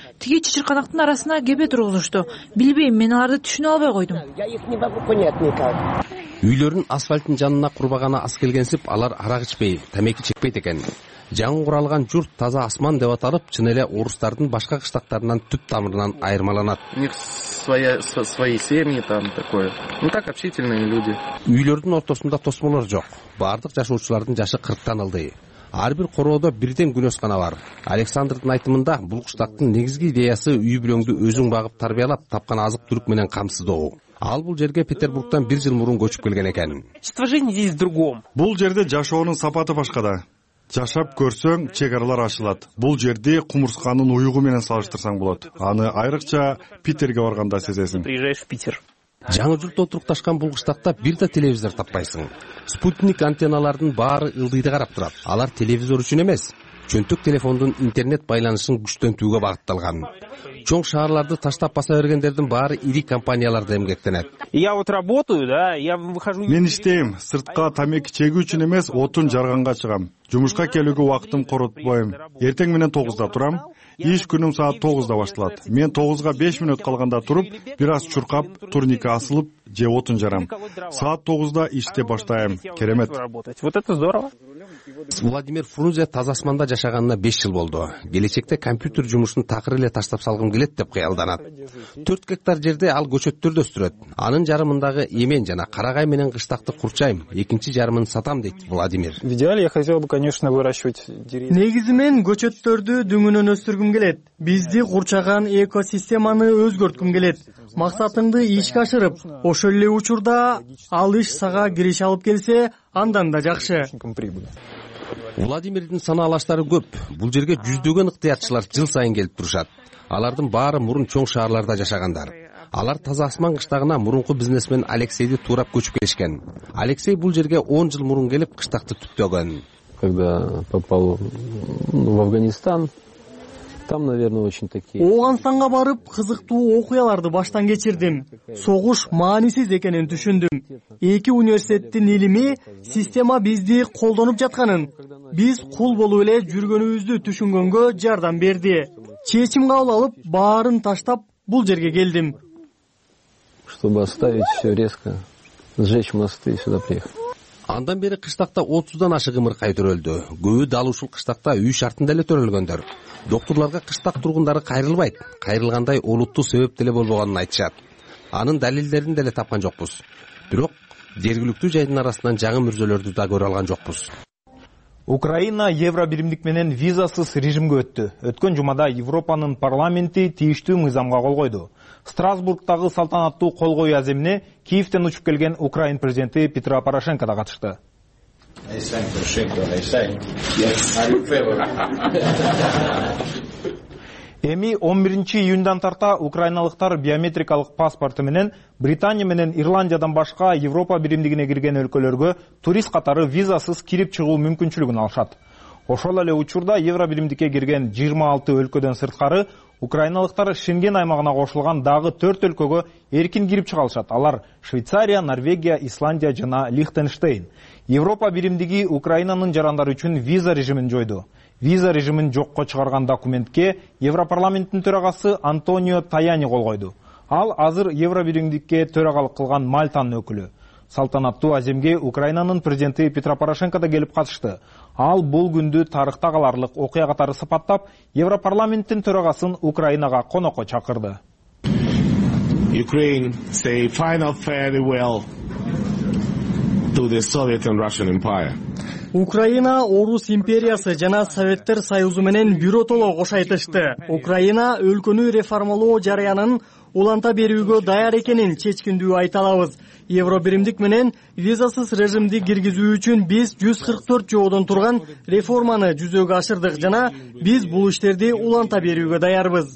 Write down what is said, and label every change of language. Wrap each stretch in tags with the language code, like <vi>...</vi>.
<ky>Тиги чычырканактын арасына кепе тургузушту. Билбейм, мен аларды түшүнө албай койдум. Үйлөрүн асфальттын жанына курбаганы аз келгенсип, алар арак ичпей, тамеки чекпейт экен. Жаңы куралган журт таза асман деп аталып, чын эле орустардын башка кыштактарынан түп тамырынан айырмаланат.</ky> <ru>У них свои семьи там такое. Ну так общительные люди.</ru> <ky>Үйлөрдүн ортосунда тосмолор жок. Баардык жашоочулардын жашы 40 ылдый. Ар бир короодо бирден күнөскана бар. Александрдын айтымында бул кыштактын негизги идеясы үй бүлөңдү өзүң багып тарбиялап, тапкан азык түлүк менен камсыздоо. Ал бул жерге Петербургдан 1 жыл мурун көчүп келген экен.</ky> <ru>Жизнь здесь в другом.</ru> <ky>Бул жерде жашоонун сапаты башкада. Жашап көрсөң, чегаралар ашылат. Бул жерди кумурсканын уюгу менен салыштырсаң болот. Аны айрыкча Питерге барганда сезесиң.</ky> <ru>Приезжаешь в Питер.</ru> <ky>Жаңы журту отурукташкан бул кыштакта бир да телевизор таппайсың. Спутник антенналардын баары ылдыйды карап турат. Алар телевизор үчүн эмес. Чөнтөк телефондун интернет байланышын күчтөнтүүгө багытталган. Чоң шаарларды таштап баса бергендердин баары ири компанияларда эмгектенет.</ky> <ru>Я вот работаю, да, я выхожу.</ru> <ky>Мен иштейм, сыртка тамеки чегүү үчүн эмес, отун жарганга чыгам. Жумушка келүүгө убактым коротпойм. Эртең менен 9:00 турам. Иш күнүм саат 9:00 башталат. Мен 9:00 5 мүнөт калганда туруп, бир аз чуркап, турника асылып, же отун жарам. Саат 9:00 иште баштайм. Керемет.</ky> <ru>Вот это здорово.</ru> <ky>Владимир Фрунзе таз асманда жашаганына 5 жыл болду. Келечекте компьютер жумушун такыр эле таштап салгым келет деп кыялданат. 4 гектар жерде ал көчөттөрдү өстүрөт. Анын жарымындагы эмен жана карагай менен кыштакты курчайм, экинчи жарымын сатам, дейт Владимир.</ky> <ru>В идеале я хотел бы, конечно, выращивать деревья.</ru> <ky>Негизи мен көчөттөрдү дүмүнөн өстүргүм келет. Бизди курчаган экосистеманы өзгөрткүм келет. Максатыңды ишке ашырып, ошол эле учурда ал иш сага кириш алып келсе, андан да жакшы. Владимирдин санаалаштары көп. Бул жерге жүздөгөн ыктыярчылар жыл сайын келип турушат. Алардын баары мурун чоң шаарларда жашагандар. Алар таза асман кыштагына мурунку бизнесмен Алексейди туурап көчүп келишкен. Алексей бул жерге 10 жыл мурун келип кыштакты түптөгөн.</ky> <ru>Когда попал в Афганистан, там, наверное, очень такие.</ru> <ky>Ооганстанга барып, кызыктуу окуяларды баштан кечирдим. Согуш маанисиз экенин түшүндүм. Эки университеттин илими система бизди колдонуп жатканын, биз кул болуп эле жүргөнүбүздү түшүнгөнгө жардам берди. Чечим кабыл алып, баарын таштап бул жерге келдим.</ky> <ru>Чтобы оставить всё резко, сжечь мосты и сюда приехать.</ru> <ky>Андан бери кыштакта 30'дан ашык ымыркай төрөлдү. Көбү дал ушул кыштакта үй шартында эле төрөлгөндөр. Доктурларга кыштак тургундары кайрылбайт. Кайрылгандай олуттуу себеп деле болбогонун айтышат. Анын далилдерин деле тапкан жокпуз. Бирок жергиликтүү жайдын арасынан жаңы мүрзөлөрдү да көрө алган жокпуз. Украина Евробиримдик менен визасыз режимге өттү. Өткөн жумада Европанын парламенти тийиштүү мыйзамга кол койду. Страсбургтагы салтанаттуу кол коюу аземине Киевтен учуп келген Украин президенти Петро Порошенко да катышты. Эми 11 июндан тарта украиналыктар биометрикалык паспорту менен Британия менен Ирландиядан башка Европа биримдигине кирген өлкөлөргө турист катары визасыз кирип чыгуу мүмкүнчүлүгүн алышат. Ошол эле учурда Евробиримдикке кирген 26 өлкөдөн сырткары украиналыктар Шенген аймагына кошулган дагы 4 өлкөгө эркин кирип чыга алышат. Алар Швейцария, Норвегия, Исландия жана Лихтенштейн. Европа биримдиги Украинанын жарандары үчүн виза режимин жойду. Виза режимин жокко чыгарган документке Европарламенттин төрагасы Антонио Таяни кол койду. Ал азыр Евробиримдикке төрагалык кылган Мальтанын өкүлү. Салтанаттуу аземге Украинанын президенти Петро Порошенко да келип катышты. Ал бул күндү тарыхта каларлык окуя катары сыпаттап, Европарламенттин төрагасын Украинага конокко чакырды.</ky> <en>Ukraine say final farewell to the Soviet and Russian Empire.</en> <ky>Украина Орус империясы жана Советтер Союзу менен биротоло кош айтышты. Украина өлкөнү реформалоо жараянын уланта берүүгө даяр экенин чечкиндүү айта алабыз. Евробиримдик менен визасыз режимди киргизүү үчүн биз 144 жоодон турган реформаны жүзөгө ашырдык жана биз бул иштерди уланта берүүгө даярбыз.</ky>